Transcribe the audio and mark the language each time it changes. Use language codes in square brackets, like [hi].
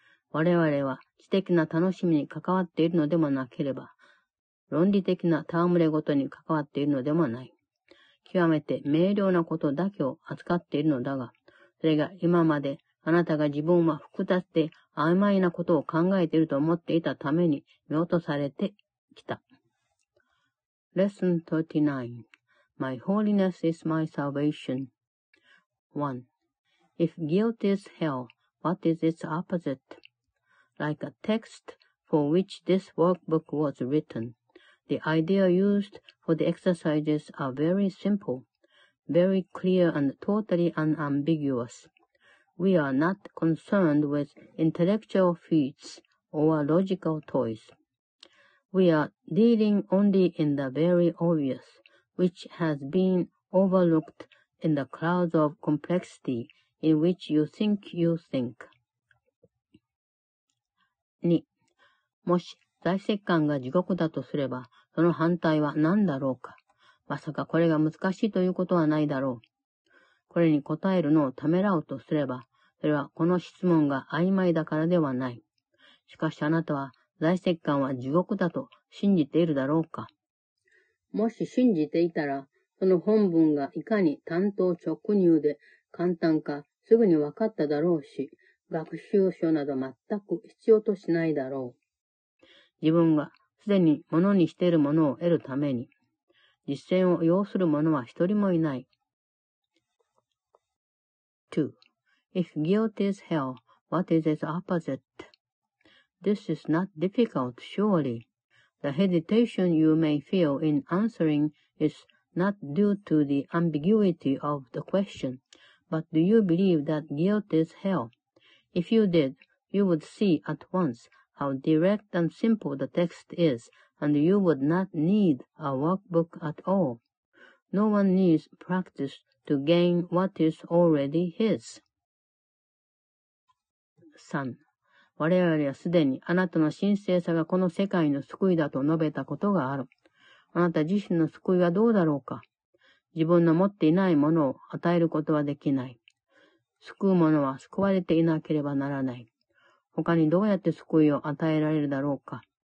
[ja] 我々は知的な楽しみに関わっているのでもなければ、論理的な戯れごとに関わっているのでもない。極めて明瞭なことだけを扱っているのだが、それが今まであなたが自分は複雑で曖昧なことを考えていると思っていたために見落とされてきた。 [en] Lesson 39. My holiness is my salvation. 1. If guilt is hell, what is its opposite? Like a text for which this workbook was written, the idea used for the exercises are very simple, very clear and totally unambiguous. We are not concerned with intellectual feats or logical toys. We are dealing only in the very obvious, which has been overlooked in the clouds of complexity in which you think you think. [ja] 2. もし在籍感が地獄だとすれば、その反対は何だろうか。まさかこれが難しいということはないだろう。これに答えるのをためらうとすれば、それはこの質問が曖昧だからではない。しかしあなたは在籍感は地獄だと信じているだろうか。もし信じていたら、その本文がいかに単刀直入で簡単かすぐに分かっただろうし、学習書など全く必要としないだろう。自分がすでにものにしているものを得るために、実践を要する者は一人もいない。 [en] 2. If guilt is hell, what is its opposite? This is not difficult, surely. The hesitation you may feel in answering is not due to the ambiguity of the question, but do you believe that guilt is hell? If you did, you would see at once how direct and simple the text is, and you would not need a workbook at all. No one needs practice to gain what is already his. [ja] 3. 我々はすでにあなたの神聖さがこの世界の救いだと述べたことがある。あなた自身の救いはどうだろうか。自分の持っていないものを与えることはできない。救う者は救われていなければならない。他にどうやって救いを与えられるだろうか。